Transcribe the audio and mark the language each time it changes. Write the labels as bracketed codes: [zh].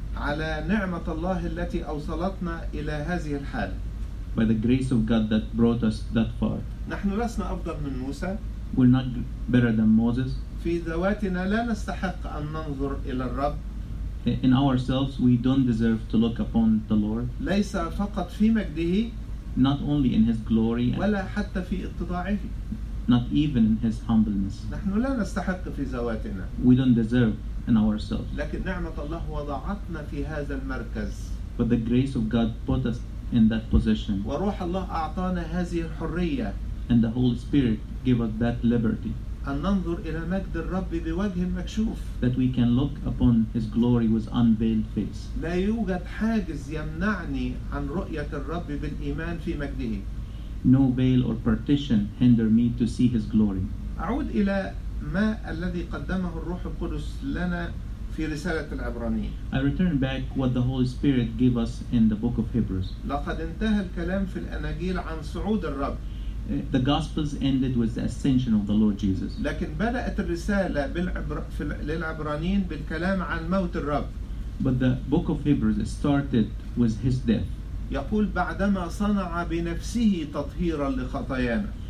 [ar] على نعمة الله التي أوصلتنا إلى هذه الحال. [en] By the grace of God that brought us that far. [ar] نحن لسنا أفضل من موسى. [en] We're not better than Moses. [ar] في ذواتنا لا نستحق أن ننظر إلى الرب. [en] In ourselves, we don't deserve to look upon the Lord. [ar] ليس فقط في مجده. [en] Not only in his glory. [ar] ولا حتى في اتضاعه. [en] Not even in his humbleness. [ar] نحن لا نستحق في ذواتنا. [en] We don't deserve in ourselves. [ar] لكن نعمة الله وضعتنا في هذا المركز. [en] But the grace of God put us in that position. [ar] وروح الله أعطانا هذه الحرية. [en] And the Holy Spirit gave us that liberty. [ar] أن ننظر إلى مجد الرب بوجه مكشوف. [en] That we can look upon his glory with unveiled face. [ar] لا يوجد حاجز يمنعني عن رؤية الرب بالإيمان في مجده. [en] No veil or partition hinder me to see his glory. [ar] أعود إلى ما الذي قدمه الروح القدس لنا في رسالة العبرانيين. [en] I return back what the Holy Spirit gave us in the book of Hebrews. [ar] لقد انتهى الكلام في الأناجيل عن صعود الرب. [en] The Gospels ended with the ascension of the Lord Jesus. [ar] لكن بدأت الرسالة للعبرانيين بالكلام عن موت الرب. [en] But the book of Hebrews started with his death. [ar] يقول بعدما صنع بنفسه تطهيرا لخطايانا.